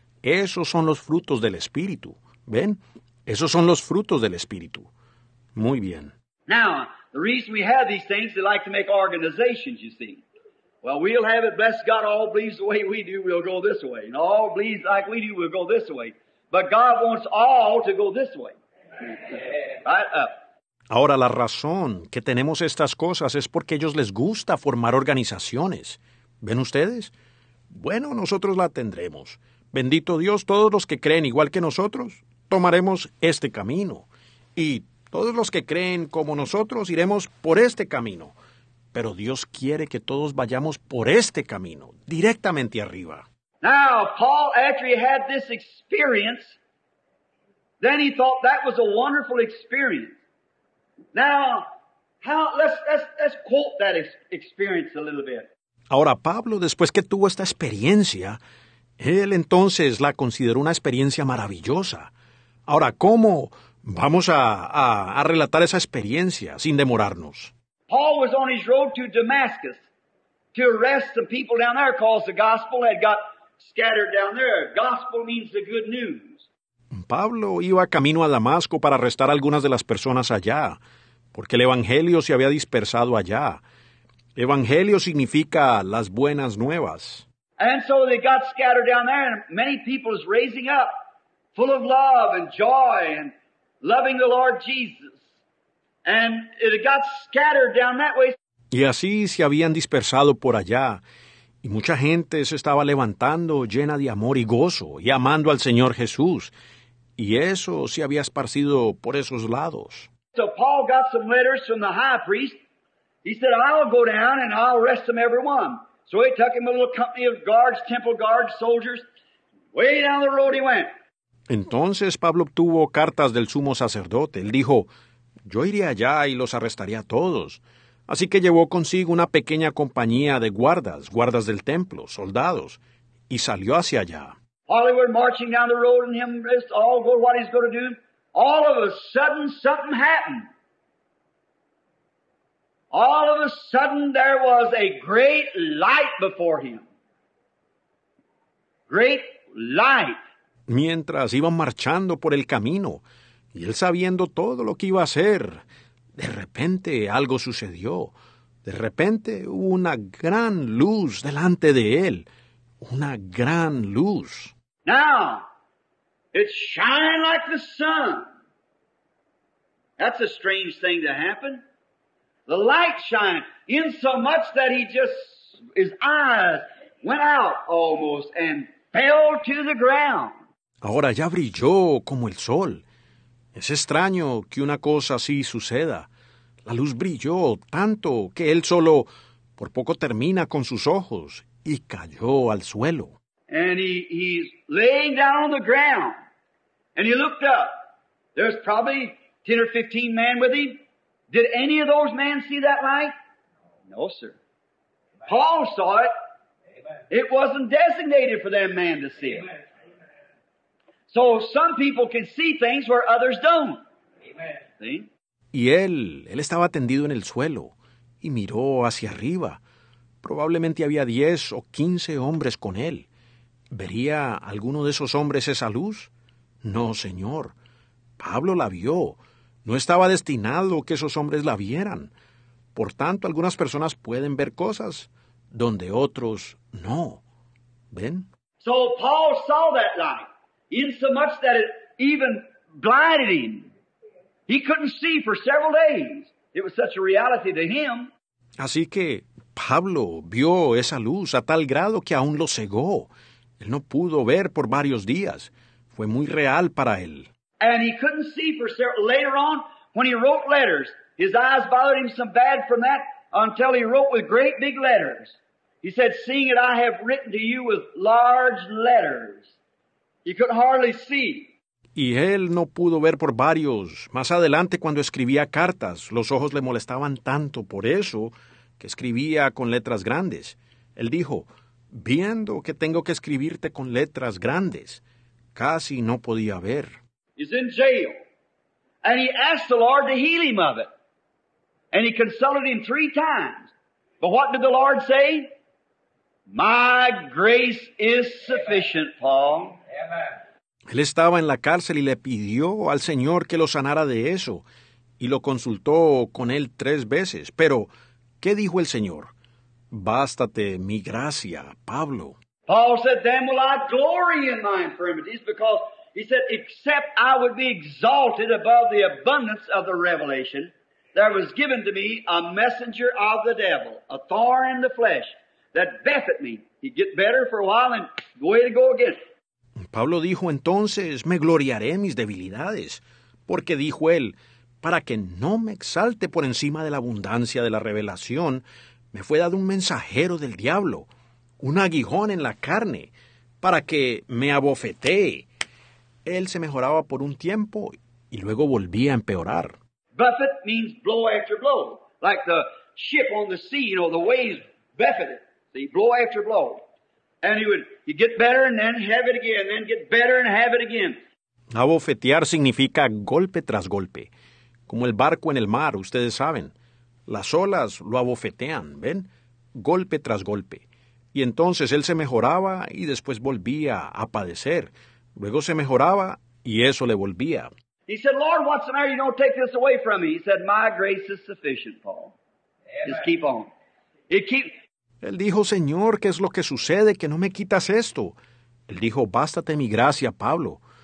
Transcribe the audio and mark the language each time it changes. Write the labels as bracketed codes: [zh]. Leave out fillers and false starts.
[es] Esos son los frutos del Espíritu. ¿Ven? Esos son los frutos del Espíritu. Muy bien. [en] Now, the reason we have these things, they like to make organizations, you see. Well, we'll have it, bless God, all believes the way we do, we'll go this way. And all believes like we do, we'll go this way. But God wants all to go this way. Right up. [es] Ahora, la razón que tenemos estas cosas es porque a ellos les gusta formar organizaciones. ¿Ven ustedes? Bueno, nosotros la tendremos. Bendito Dios, todos los que creen igual que nosotros, tomaremos este camino. Y todos los que creen como nosotros, iremos por este camino. Pero Dios quiere que todos vayamos por este camino, directamente arriba. [en] Now, Paul, after he had this experience, then he thought that was a wonderful experience. Now, let's quote that experience a little bit. [es] Ahora, Pablo, después que tuvo esta experiencia, él entonces la consideró una experiencia maravillosa. Ahora, ¿cómo vamos a relatar esa experiencia sin demorarnos? [en] Paul was on his road to Damascus to arrest some people down there because the gospel had got scattered down there. Gospel means the good news. [es] Pablo iba camino a Damasco para arrestar a algunas de las personas allá, porque el Evangelio se había dispersado allá. Evangelio significa las buenas nuevas. [en] And so they got scattered down there, and many people is raising up, full of love and joy and loving the Lord Jesus. And it got scattered down that way. [es] Y así se habían dispersado por allá, y mucha gente se estaba levantando llena de amor y gozo, y amando al Señor Jesús. Y eso se había esparcido por esos lados. [en] So Paul got some letters from the high priest. He said, I'll go down and I'll arrest them every one. So he took him a little company of guards, temple guards, soldiers. Way down the road he went. [es] Entonces Pablo obtuvo cartas del sumo sacerdote. Él dijo, yo iré allá y los arrestaré a todos. Así que llevó consigo una pequeña compañía de guardas, guardas del templo, soldados, y salió hacia allá. [en] Hollywood marching down the road and him just all go what he's going to do. All of a sudden, something happened. All of a sudden, there was a great light before him. Great light. [es] Mientras iban marchando por el camino, y él sabiendo todo lo que iba a hacer, de repente algo sucedió. De repente hubo una gran luz delante de él. Una gran luz. [en] Now, it's shining like the sun. That's a strange thing to happen. The light shined in so much that he just, his eyes went out almost and fell to the ground. [es] Ahora ya brilló como el sol. Es extraño que una cosa así suceda. La luz brilló tanto que él solo por poco termina con sus ojos y cayó al suelo. [en] And he's laying down on the ground. And he looked up. There's probably 10 or 15 men with him. Did any of those men see that light? No, sir. Paul saw it. It wasn't designated for them man to see it. So some people can see things where others don't. See? [es] Y él estaba tendido en el suelo y miró hacia arriba. Probablemente había 10 o 15 hombres con él. ¿Vería alguno de esos hombres esa luz? No, señor. Pablo la vio. No estaba destinado que esos hombres la vieran. Por tanto, algunas personas pueden ver cosas donde otros no. ¿Ven? [en] So Paul saw that light, insomuch that it even blinded him. He couldn't see for several days. It was such a reality to him. [es] Así que Pablo vio esa luz a tal grado que aún lo cegó. Él no pudo ver por varios días. Fue muy real para él. [en] And he couldn't see for several, later on, when he wrote letters, his eyes bothered him so bad from that until he wrote with great big letters. He said, seeing it, I have written to you with large letters. He could hardly see. [es] Y él no pudo ver por varios. Más adelante, cuando escribía cartas, los ojos le molestaban tanto por eso que escribía con letras grandes. Él dijo, viendo que tengo que escribirte con letras grandes, casi no podía ver. [en] He's in jail. And he asked the Lord to heal him of it. And he consulted him three times. But what did the Lord say? My grace is sufficient, Paul. Amen. [es] Él estaba en la cárcel y le pidió al Señor que lo sanara de eso. Y lo consultó con él tres veces. Pero, ¿qué dijo el Señor? Bástate mi gracia, Pablo. [en] Paul said, then will I glory in my infirmities because... He said, except I would be exalted above the abundance of the revelation, there was given to me a messenger of the devil, a thorn in the flesh, that buffeted me. He'd get better for a while and way to go again. [es] Pablo dijo entonces, me gloriaré mis debilidades, porque dijo él, para que no me exalte por encima de la abundancia de la revelación, me fue dado un mensajero del diablo, un aguijón en la carne, para que me abofetee. Él se mejoraba por un tiempo y luego volvía a empeorar. [en] Buffet means blow after blow, like the ship on the sea, you know, the waves buffet it. See, blow after blow. And he'd get better and then have it again, then get better and have it again. [es] Abofetear significa golpe tras golpe. Como el barco en el mar, ustedes saben. Las olas lo abofetean, ¿ven? Golpe tras golpe. Y entonces él se mejoraba y después volvía a padecer. Luego se mejoraba y eso le volvía. [en] He said, Lord, what's the matter? You don't take this away from me. He said, my grace is sufficient, Paul. Just keep on. [es] Él dijo, Señor, ¿qué es lo que sucede? Que no me quitas esto. Él dijo, bástate mi gracia, Pablo.